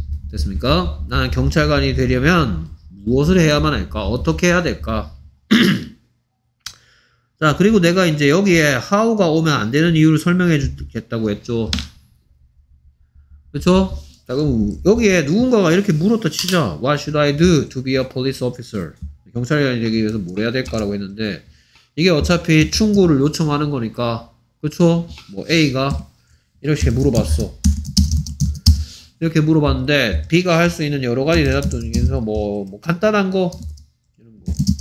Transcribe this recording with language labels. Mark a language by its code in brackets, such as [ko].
[ko] 됐습니까? 나는 경찰관이 되려면 무엇을 해야만 할까? 어떻게 해야 될까? 자 그리고 내가 이제 여기에 how가 오면 안 되는 이유를 설명해 주겠다고 했죠. 그렇죠? 자 그럼 여기에 누군가가 이렇게 물었다 치자. [en] What should I do to be a police officer? [ko] 경찰관이 되기 위해서 뭘 해야 될까라고 했는데 이게 어차피 충고를 요청하는 거니까 그쵸? 뭐 A가 이렇게 물어봤어. 이렇게 물어봤는데 B가 할 수 있는 여러 가지 대답 중에서 뭐 간단한 거 이런 거